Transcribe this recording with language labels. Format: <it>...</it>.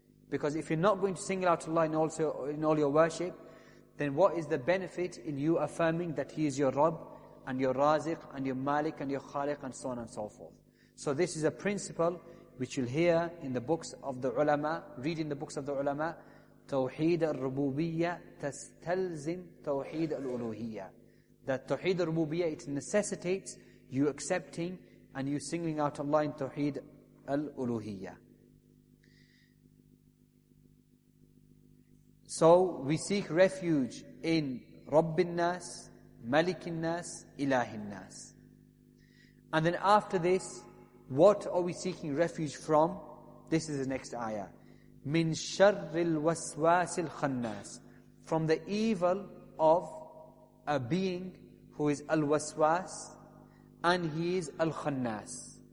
<en>Because if you're not going to single out Allah in all your worship, then what is the benefit in you affirming that He is your Rabb and your Raziq and your Malik and your Khaliq and so on and so forth. So this is a principle which you'll hear in the books of the ulama, read in the books of the ulama,</en> <ar>توحيد الربوبية تستلزم توحيد الألوهية.</ar> <en>That توحيد الربوبية, it necessitates you accepting and you singling out Allah in توحيد الألوهية. So we seek refuge in</en> <ar>رب الناس, ملك الناس, إله الناس.</ar> <en>And then after this, what are we seeking refuge from? This is the next ayah.</en> <ar>مِن شَرِّ الْوَسْوَاسِ الْخَنَّاسِ,</ar> <en>from the evil of a being who is al-waswas and he is al-khannas.</en>